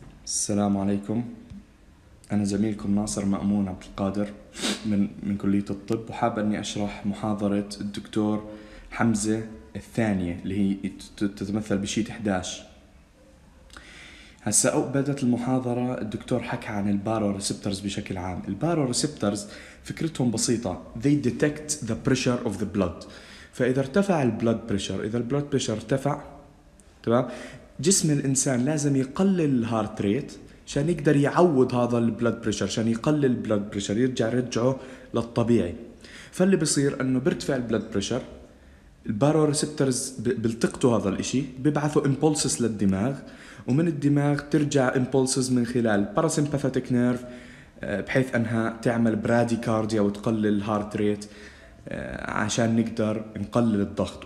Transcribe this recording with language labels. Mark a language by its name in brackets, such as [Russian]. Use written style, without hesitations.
[Arabic] السلام عليكم، أنا زميلكم ناصر مأمون عبد القادر من كلية الطب، وحاب أني أشرح محاضرة الدكتور حمزة الثانية اللي هي تتمثل بشيت 11. هسا بدأت المحاضرة، الدكتور حكى عن البارو ريسبترز بشكل عام. البارو ريسبترز فكرتهم بسيطة، [English] they detect the pressure of the blood. [Arabic] فإذا ارتفع البلود بريشر، إذا البلود بريشر ارتفع تمام، جسم الإنسان لازم يقلل الهارت ريت عشان يقدر يعوض هذا البلود بريشر، عشان يقلل البلود بريشر يرجعه للطبيعي. فاللي بصير أنه بيرتفع البلود بريشر، البارو ريسبترز بيلتقطوا هذا الإشي، بيبعثوا إمبولسز للدماغ، ومن الدماغ ترجع إمبولسز من خلال باراسيمباثيك نيرف بحيث أنها تعمل برادي كارديا وتقلل الهارت ريت عشان نقدر نقلل الضغط.